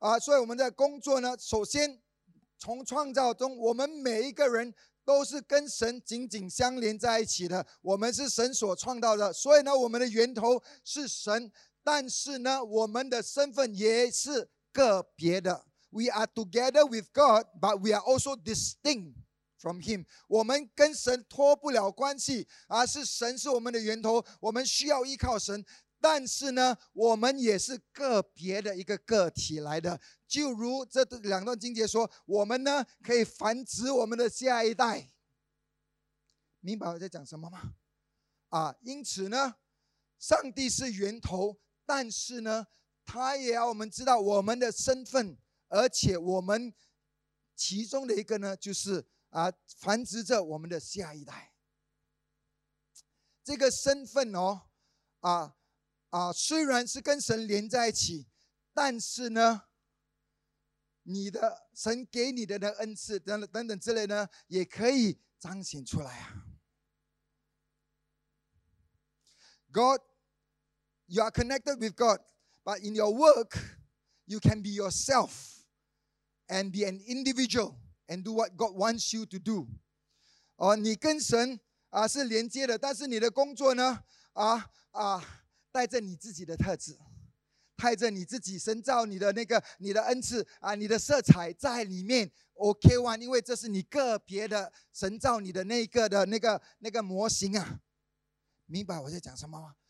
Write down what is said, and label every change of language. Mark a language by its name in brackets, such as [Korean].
[Chinese] 所以我们在工作呢，首先从创造中，我们每一个人都是跟神紧紧相连在一起的，我们是神所创造的，所以呢，我们的源头是神，但是呢，我们的身份也是个别的。 [English] We are together with God, but we are also distinct from Him. [Chinese] 我们跟神脱不了关系，是神是我们的源头，我们需要依靠神，但是呢，我们也是个别的一个个体来的。就如这两段经节说，我们呢可以繁殖我们的下一代，明白我在讲什么吗？因此呢，上帝是源头，但是呢，他也要我们知道我们的身份，而且我们其中的一个呢，就是繁殖着我们的下一代。这个身份哦，虽然是跟神连在一起，但是呢。你的神给你的恩赐等等之类呢，也可以彰显出来啊。 [English] God, you are connected with God, but in your work, you can be yourself and be an individual and do what God wants you to do. [Chinese] 你跟神是连接的，但是你的工作呢带着你自己的特质。带着你自己深造你的那个你的恩赐你的色彩在里面 OK one， 因为这是你个别的深造你的那个模型啊，明白我在讲什么吗？